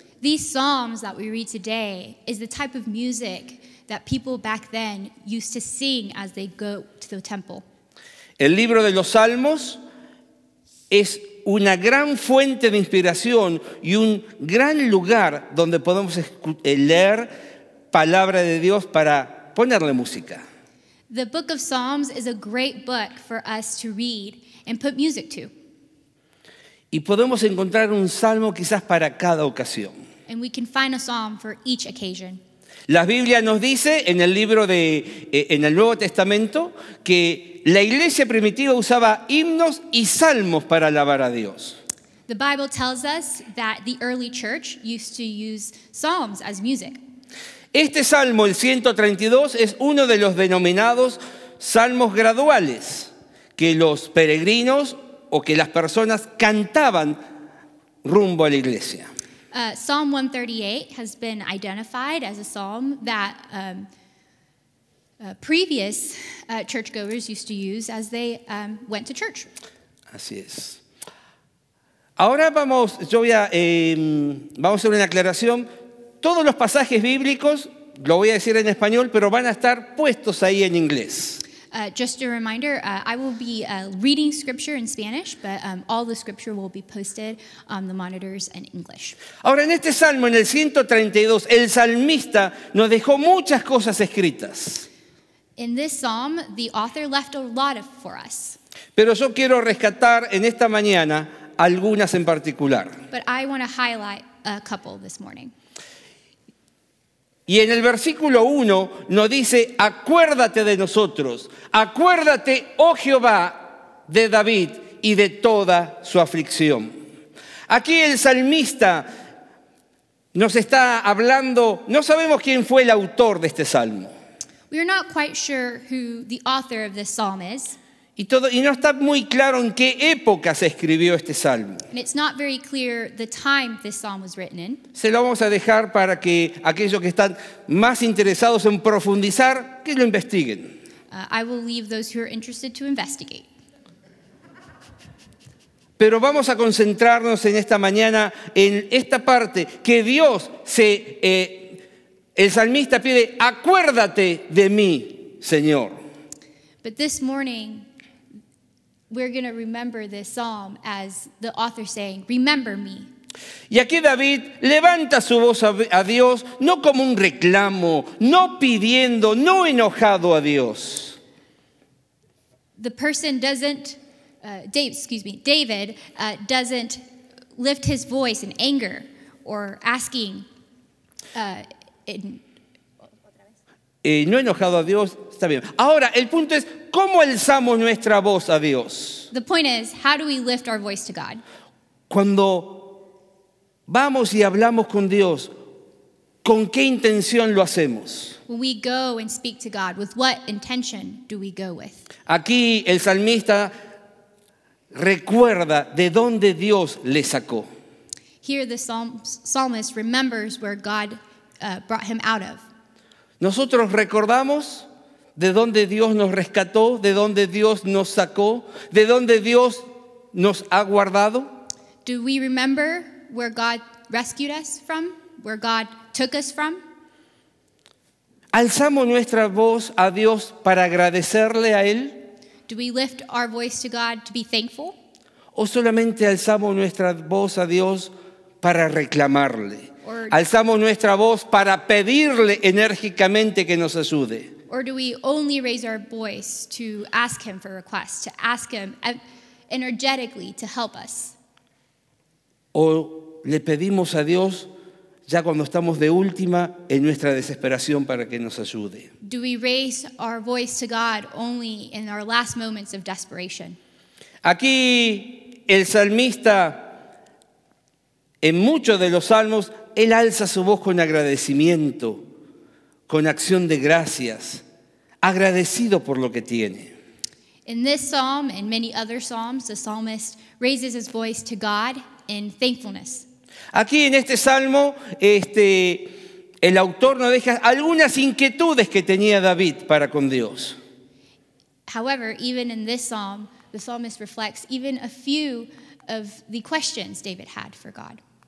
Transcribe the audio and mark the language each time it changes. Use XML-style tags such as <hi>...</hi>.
<en>These psalms that we read today is the type of music that people back then used to sing as they go to the temple.</en> <es>El libro de los salmos es una gran fuente de inspiración y un gran lugar donde podemos leer palabra de Dios para ponerle música.</es> <en>The book of Psalms is a great book for us to read and put music to.</en> <es>Y podemos encontrar un salmo quizás para cada ocasión.</es> <en>And we can find a psalm for each occasion.</en> <es>La Biblia nos dice en el libro de en el Nuevo Testamento que la iglesia primitiva usaba himnos y salmos para alabar a Dios.</es> <en>The Bible tells us that the early church used to use psalms as music.</en> <es>Este salmo, el 132, es uno de los denominados salmos graduales que los peregrinos o que las personas cantaban rumbo a la iglesia.</es> <en>Psalm 138 has been identified as a psalm that previous churchgoers used to use as they went to church.</en> <es>Así es. Ahora vamos, yo voy a, vamos a hacer una aclaración. Todos los pasajes bíblicos, lo voy a decir en español, pero van a estar puestos ahí en inglés.</es> <en>Just a reminder, I will be reading scripture in Spanish, but all the scripture will be posted on the monitors in English.</en> <es>Ahora, en este salmo, en el 132, el salmista nos dejó muchas cosas escritas.</es> <en>In this psalm, the author left a lot of for us.</en> <es>Pero yo quiero rescatar en esta mañana algunas en particular.</es> <en>But I want to highlight a couple this morning.</en> <es>Y en el versículo 1 nos dice, acuérdate de nosotros, acuérdate, oh Jehová, de David y de toda su aflicción. Aquí el salmista nos está hablando, no sabemos quién fue el autor de este salmo.</es> <en>We are not quite sure who the author of this psalm is.</en> <es>Y no está muy claro en qué época se escribió este salmo.</es> <en>And it's not very clear the time this psalm was written in.</en> <es>Se lo vamos a dejar para que aquellos que están más interesados en profundizar, que lo investiguen.</es> <en>I will leave those who are interested to investigate.</en> <es>Pero vamos a concentrarnos en esta mañana en esta parte que Dios se... el salmista pide, acuérdate de mí, Señor.</es> <en>But this morning... we're going to remember this psalm as the author saying, remember me.</en> <es>Y aquí David levanta su voz a Dios, no como un reclamo, no pidiendo, no enojado a Dios.</es> <en>The person doesn't, David doesn't lift his voice in anger or asking.</en> <es>No enojado a Dios, está bien. Ahora, el punto es, ¿cómo alzamos nuestra voz a Dios?</es> <en>The point is, how do we lift our voice to God?</en> <es>Cuando vamos y hablamos con Dios, ¿con qué intención lo hacemos?</es> <en>When we go and speak to God, with what intention do we go with?</en> <es>Aquí el salmista recuerda de dónde Dios le sacó.</es> <en>Here the psalmist remembers where God brought him out of.</en> <es>Nosotros recordamos de dónde Dios nos rescató, de dónde Dios nos sacó, de dónde Dios nos ha guardado.</es> <en>Do we remember where God rescued us from? Where God took us from?</en> <es>¿Alzamos nuestra voz a Dios para agradecerle a Él?</es> <en>Do we lift our voice to God to be thankful?</en> <es>¿O solamente alzamos nuestra voz a Dios para reclamarle?</es> <en>Or</en> <es>alzamos nuestra voz para pedirle enérgicamente que nos ayude.</es> <en>Or do we only raise our voice to ask him for requests, to ask him energetically to help us?</en> <es>O le pedimos a Dios ya cuando estamos de última en nuestra desesperación para que nos ayude.</es> <en>Do we raise our voice to God only in our last moments of desperation?</en> <es>Aquí el salmista, en muchos de los salmos, él alza su voz con agradecimiento, con acción de gracias, agradecido por lo que tiene.</es> <en>In this psalm and many other psalms, the psalmist raises his voice to God in thankfulness.</en> <es>Aquí en este salmo, el autor nos deja algunas inquietudes que tenía David para con Dios.</es> <en>However, even in this psalm, the psalmist reflects even a few of the questions David had for God.</en>